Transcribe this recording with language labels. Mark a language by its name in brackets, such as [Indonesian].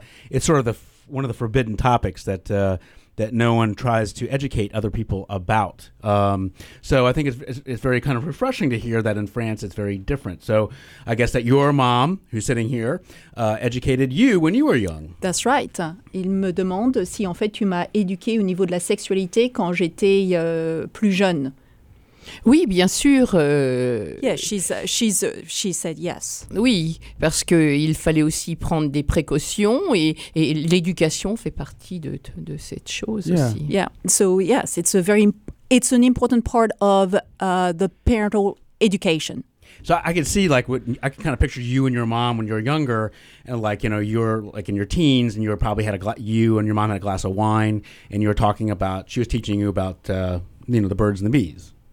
[English] It's sort of one of the forbidden topics that. That no one tries to educate other people about. So I think it's very kind of refreshing to hear that in France it's very different. So I guess that your mom, who's sitting here, educated you when you were young. That's right. [French] Il me demande si en fait tu m'as éduqué au niveau de la sexualité quand j'étais plus jeune. Oui, bien sûr. [English] Yeah, she said yes. [French] Oui, parce que il fallait aussi prendre des précautions et l'éducation fait partie de cette chose aussi. [English] Yeah. So yes, it's an important part of the parental education. So I can see I can kind of picture you and your mom when you're younger and you're in your teens and you were probably you and your mom had a glass of wine and you were talking about she was teaching you about the birds and the bees.